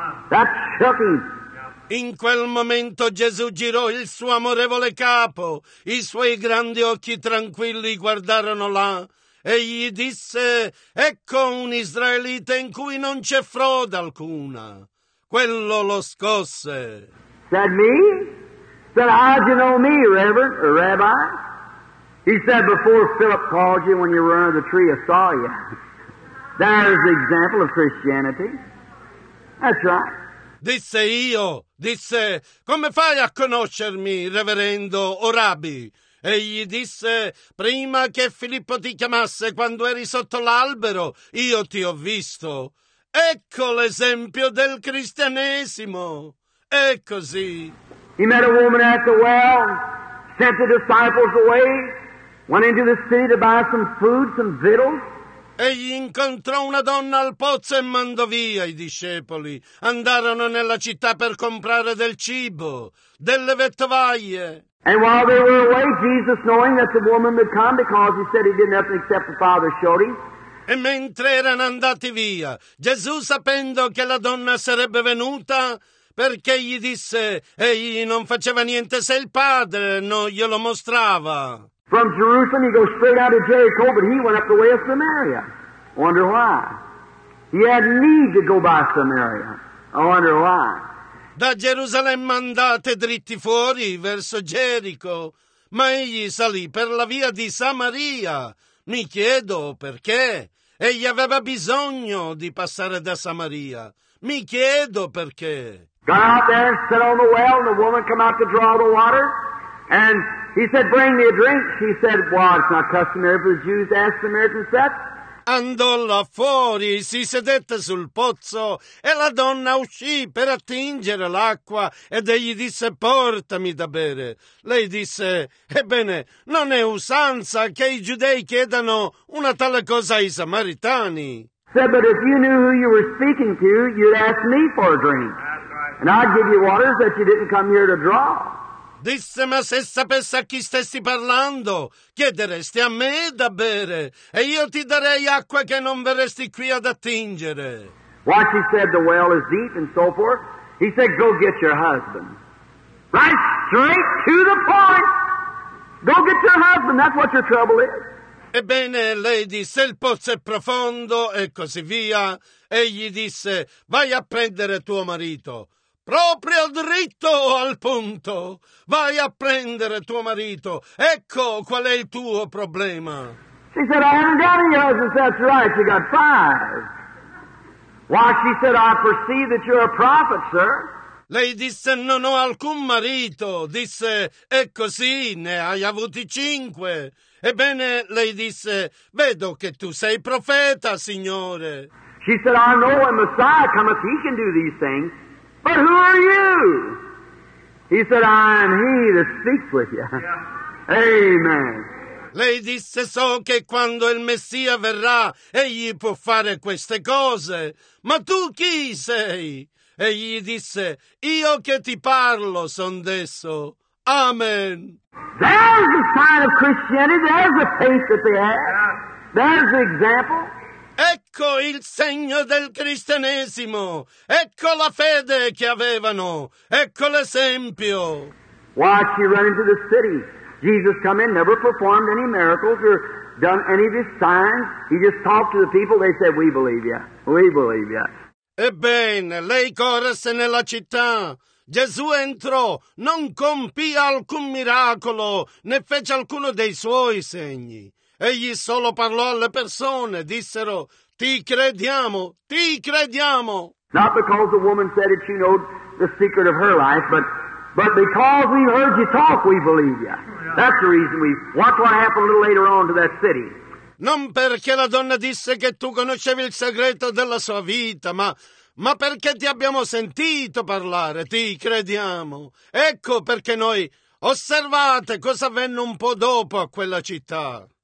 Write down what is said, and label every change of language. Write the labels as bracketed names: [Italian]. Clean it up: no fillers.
[English] That's shocking. [Italian] In quel momento Gesù girò il suo amorevole capo, i suoi grandi occhi tranquilli guardarono là, e gli disse, ecco un israelita in cui non c'è frode alcuna. Quello lo scosse. [English] Said me? Said, how do you know me, Reverend, or Rabbi? He said, before Philip called you when you were under the tree, I saw you. There's the example of Christianity. That's right. [Italian] Disse io, disse, come fai a conoscermi, reverendo o rabbi? Egli disse, prima che Filippo ti chiamasse quando eri sotto l'albero, io ti ho visto. Ecco l'esempio del cristianesimo. È così. [English] He met a woman at the well, sent the disciples away, went into the city to buy some food, some victuals. [Italian] Egli incontrò una donna al pozzo e mandò via i discepoli. Andarono nella città per comprare del cibo, delle vettovaglie. [English] And while they were away, Jesus, knowing that the woman would come, because he said he didn't have to accept the Father, showed him. [Italian] E mentre erano andati via, Gesù, sapendo che la donna sarebbe venuta, perché gli disse, egli non faceva niente se il Padre non glielo mostrava. [English] From Jerusalem, he goes straight out of Jericho, but he went up the way of Samaria. Wonder why? He had need to go by Samaria. I wonder why. [Italian] Da Gerusalemme andate dritti fuori verso Gerico, ma egli salì per la via di Samaria. Mi chiedo perché. Egli aveva bisogno di passare da Samaria. Mi chiedo perché. [English] Got out there and sat on the well, and the woman come out to draw the water, and he said, bring me a drink. He said, well, it's not customary for the Jews to ask Samaritans that. [Italian] Andò là fuori, si sedette sul pozzo, e la donna uscì per attingere l'acqua, ed egli disse: portami da bere. Lei disse: ebbene, non è usanza che i giudei chiedano una tale cosa ai samaritani. [English] Said, but if you knew who you were speaking to, you'd ask me for a drink. And I'd give you waters that you didn't come here to draw. [Italian] Disse, ma se sapesse a chi stessi parlando, chiederesti a me da bere, e io ti darei acqua che non verresti qui ad attingere. [English] Watch, he said, the well is deep and so forth. He said, go get your husband. Right straight to the point. Go get your husband, that's what your trouble is. [Italian] Ebbene, lei disse, il pozzo è profondo e così via. Egli disse, vai a prendere tuo marito. Proprio dritto al punto. Vai a prendere tuo marito. Ecco qual è il tuo problema. [English] She said, I haven't got any husbands. That's right, you got five. Why, she said, I perceive that you're a prophet, sir. [Italian] Lei disse, non ho alcun marito. Disse, è così, ne hai avuti cinque. Ebbene, lei disse, vedo che tu sei profeta, signore. [English] She said, I know when Messiah cometh, he can do these things. But who are you? He said, I am he that speaks with you. Yeah. Amen. [Italian] Lei disse, so che quando il Messia verrà, egli può fare queste cose. Ma tu chi sei? Egli disse, io che ti parlo son d'esso. Amen. [English] There's the sign of Christianity. There's the faith that they have. There's the example. [Italian] Ecco il segno del cristianesimo. Ecco la fede che avevano. Ecco l'esempio. [English] Why she ran into the city? Jesus come in, never performed any miracles or done any of his signs. He just talked to the people. They said, we believe you. We believe you. [Italian] Ebbene, lei corse nella città. Gesù entrò, non compì alcun miracolo, né fece alcuno dei suoi segni. Egli solo parlò alle persone, dissero, ti crediamo, ti crediamo. [English] Not because the woman said that you know the secret of her life, but because we heard you talk, we believe you. That's the reason we watch what happened a little later on to that city. [Italian] Non perché la donna disse che tu conoscevi il segreto della sua vita, ma perché ti abbiamo sentito parlare, ti crediamo. Ecco perché noi, osservate cosa avvenne un po' dopo a quella città.